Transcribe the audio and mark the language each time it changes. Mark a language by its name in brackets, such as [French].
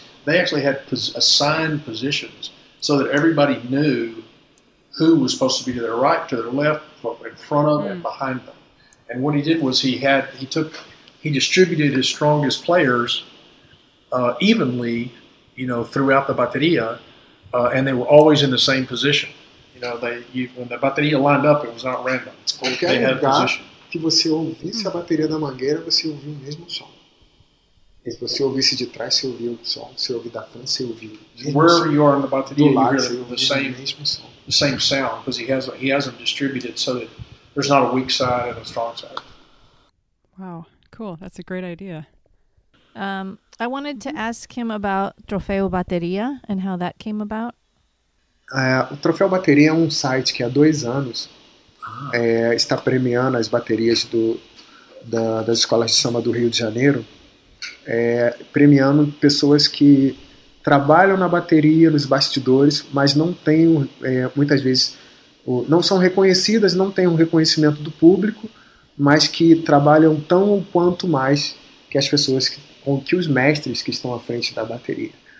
[English] They actually had assigned positions so that everybody knew who was supposed to be to their right, to their left, in front of and behind them. And what he did was he distributed his strongest players evenly, throughout the batería, and they were always in the same position. When the bateria lined up, it was not random. It's called, they had a position. [Portuguese] Que você ouvisse a bateria da mangueira, você ouvia o mesmo som. E se você ouvisse de trás, você ouvia o som. Se ouvir da frente, você ouvia o mesmo som. [English] Where you are on the bateria, you hear the same sound, because he has them distributed so that there's not a weak side and a strong side. Wow, cool. That's a great idea. I wanted to ask him about Trofeo Bateria and how that came about. [Portuguese] O Troféu Bateria é um site que há 2 anos está premiando as baterias das escolas de samba do Rio de Janeiro, premiando pessoas que trabalham na bateria, nos bastidores, mas não têm, muitas vezes, não são reconhecidas, não têm um reconhecimento do público, mas que trabalham tão ou quanto mais que as pessoas que os mestres que estão à frente da bateria.